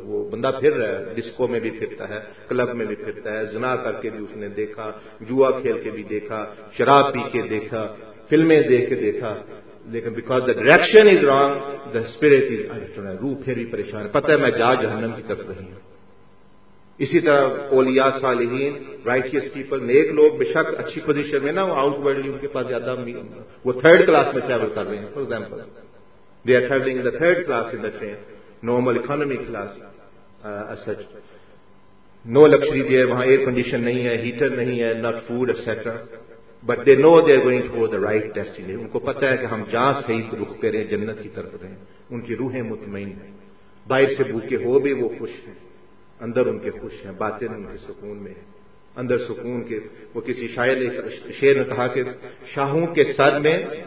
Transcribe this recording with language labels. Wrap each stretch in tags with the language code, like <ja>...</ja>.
<ur>وہ بندہ پھر رہا ہے, ڈسکو میں بھی پھرتا ہے, کلب میں بھی پھرتا ہے, زنا کر کے بھی اس نے دیکھا, جوا کھیل کے بھی دیکھا, شراب پی کے دیکھا, فلمیں دیکھ کے دیکھا, لیکن</ur> <en>because the direction is wrong the spirit is internal,</en> <ur>روح پھر بھی پریشان ہے, پتہ ہے میں جا جہنم کی طرف رہی ہوں. اسی طرح اولیاء صالحین,</ur> <en>righteous people,</en> <ur>نیک لوگ بے شک اچھی پوزیشن میں نہ ہو, آؤٹ ورلڈلی ان کے پاس زیادہ, وہ تھرڈ کلاس میں ٹریول کر رہے ہیں.</ur> <en>for example they are travelling in the third class in the train, normal economy class, such no luxury there,</en> <ur>وہاں ایئر کنڈیشن نہیں ہے,</ur> <en>Heater نہیں ہے, not food extra, but they know they are going for the right destination.</en> <ur>ان کو پتا ہے کہ ہم جہاں صحیح رخ پہ رہے, جنت کی طرف رہے, ان کی روحیں مطمئن ہیں. باہر سے بھوکے ہو بھی وہ خوش ہیں, اندر ان کے خوش ہیں, باطن ان کے سکون میں ہیں. اندر سکون کے, وہ کسی شاعر نے, شیر نے کہا کہ شاہوں کے سر میں</ur>